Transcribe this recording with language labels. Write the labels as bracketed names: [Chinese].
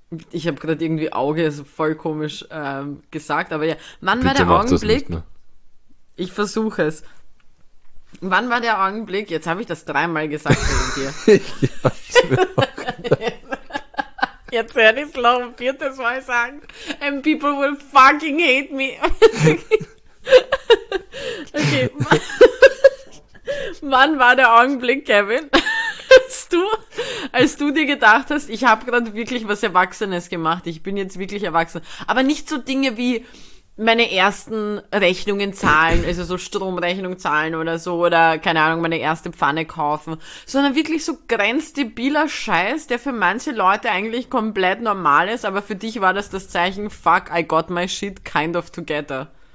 [German] Ich habe gerade irgendwie Auge so voll komisch gesagt, aber ja, wann war Bitte der mach das nicht Augenblick? mehr. Ich versuche es. Wann war der Augenblick? Jetzt habe ich das dreimal gesagt wegen dir. Hab's mir auch gedacht. Jetzt werde ich es noch ein viertes Mal sagen. [English] And people will fucking hate me. [German] Okay. Wann war der Augenblick, Kevin? Als du dir gedacht hast, ich habe gerade wirklich was Erwachsenes gemacht, ich bin jetzt wirklich erwachsen. Aber nicht so Dinge wie meine ersten Rechnungen zahlen, also so Stromrechnung zahlen oder so, oder keine Ahnung, meine erste Pfanne kaufen, sondern wirklich so grenzdebiler Scheiß, der für manche Leute eigentlich komplett normal ist, aber für dich war das das Zeichen, [English] fuck, I got my shit kind of together.